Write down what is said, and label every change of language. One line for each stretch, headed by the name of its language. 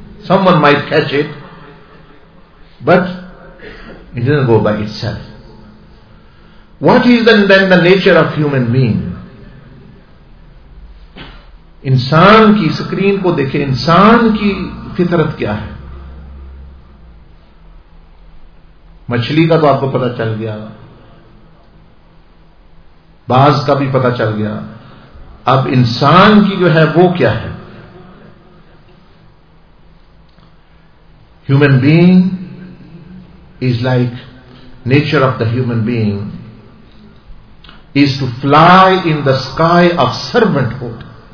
English: Someone might catch it, but it doesn't go by itself. What is then the nature of human being?
Urdu: انسان کی screen کو دیکھیں, انسان کی فطرت کیا ہے. مچھلی کا تو آپ کو پتا چل گیا, باز کا بھی پتا چل گیا, اب انسان کی جو ہے وہ کیا ہے.
English: Human being is like, nature of the human being is to fly in the sky of servanthood.